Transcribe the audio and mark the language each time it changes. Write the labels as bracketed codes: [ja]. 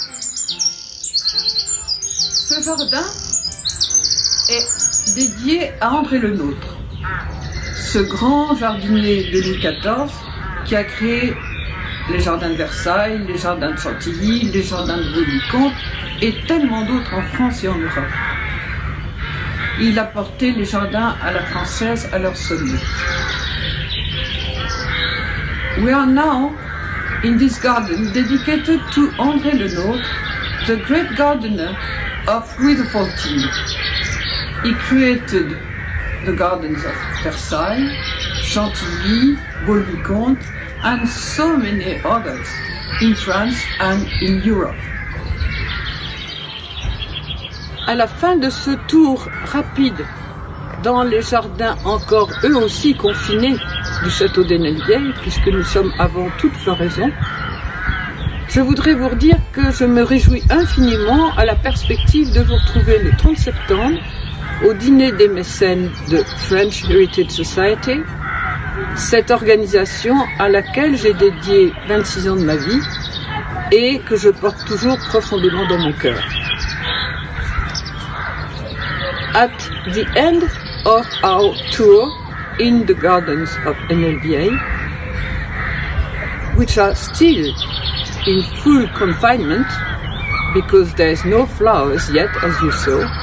[fr] Ce jardin est dédié à André Le Nôtre, ce grand jardinier de Louis XIV qui a créé les jardins de Versailles, les jardins de Chantilly, les jardins de Vicomte et tellement d'autres en France et en Europe. Il a porté les jardins à la française à leur sommet. [en] We are now in this garden dedicated to André Le Nôtre, the great gardener of Louis XIV. He created the gardens of Versailles, Chantilly, Beauvicomte, and so many others in France and in Europe. [fr] À la fin de ce tour rapide dans les jardins encore eux aussi confinés du château d'Ennelbieille, puisque nous sommes avant toute floraison, je voudrais vous redire que je me réjouis infiniment à la perspective de vous retrouver le 30 septembre au dîner des mécènes de French Heritage Society, cette organisation à laquelle j'ai dédié 26 ans de ma vie et que je porte toujours profondément dans mon cœur. [en] At the end of our tour in the gardens of Ennelbieille, which are still in full confinement, because there is no flowers yet, as you saw,